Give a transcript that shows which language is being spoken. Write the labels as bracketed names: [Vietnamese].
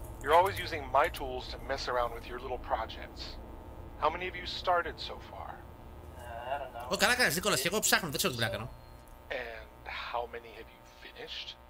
[English] You're always using my tools to mess around with your little projects. How many of you started so far? I don't know. [Greek] Καλά κάνεις, Νίκολας, και εγώ ψάχνω, δεν ξέρω τι πρέπει να κάνω. [English] And how many have you finished?